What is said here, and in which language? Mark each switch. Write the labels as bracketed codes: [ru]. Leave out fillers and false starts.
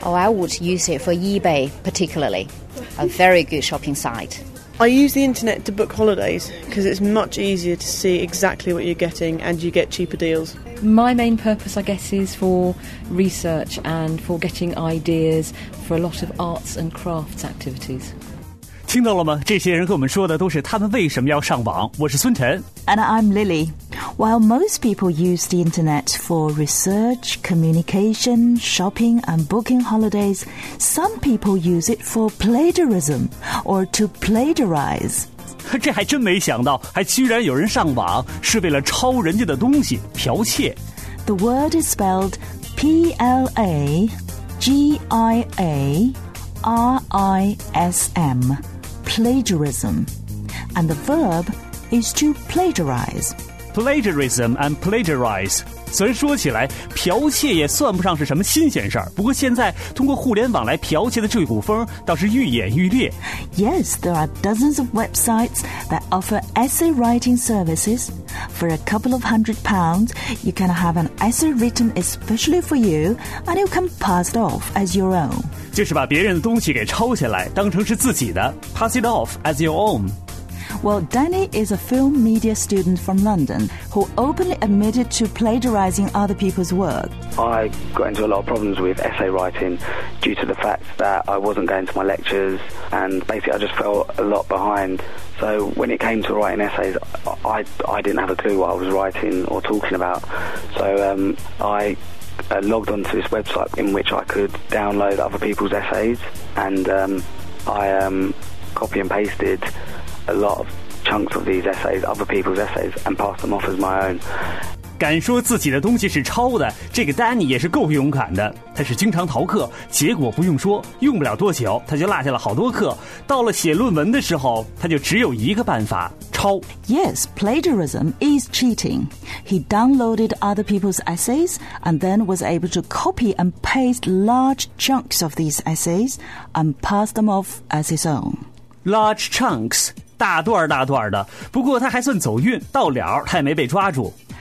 [en] Oh, I would use it for eBay particularly. A very good shopping site. I use the internet to book holidays because it's much easier to see exactly what you're getting and you get cheaper deals. My main purpose, I guess, is for research and for getting ideas for a lot of arts and crafts activities. [zh] 听到了吗？这些人跟我们说的都是他们为什么要上网。我是孙晨。 [en] And I'm Lily. While most people use the internet for research, communication, shopping and booking holidays, some people use it for plagiarism or to plagiarize. [zh] 这还真没想到，还居然有人上网是为了抄人家的东西，剽窃。 [en] The word is spelled P-L-A-G-I-A-R-I-S-M, plagiarism. And the verb is to plagiarize. Plagiarism and plagiarize. [zh] 虽然说起来，剽窃也算不上是什么新鲜事儿。不过现在通过互联网来剽窃的这股风倒是愈演愈烈。 [en] Yes, there are dozens of websites that offer essay writing services. For a couple of £100, you can have an essay written especially for you, and you can pass it off as your own. [zh] 就是把别人的东西给抄下来，当成是自己的 ， [en] pass it off as your own. Well, Danny is a film media student from London who openly admitted to plagiarizing other people's work. I got into a lot of problems with essay writing due to the fact that I wasn't going to my lectures and basically I just felt a lot behind. So when it came to writing essays, I didn't have a clue what I was writing or talking about. So I logged onto this website in which I could download other people's essays and I copy and pasted... a lot of chunks of these essays, other people's essays, and pass them off as my own. [zh] 敢说自己的东西是抄的，这个 Danny 也是够勇敢的。他是经常逃课，结果不用说，用不了多久，他就落下了好多课。到了写论文的时候，他就只有一个办法，抄。 [en] Yes, plagiarism is cheating. He downloaded other people's essays, and then was able to copy and paste large chunks of these essays, and pass them off as his own. Large chunks, [zh] 大段大段的。不过他还算走运，到了他也没被抓住。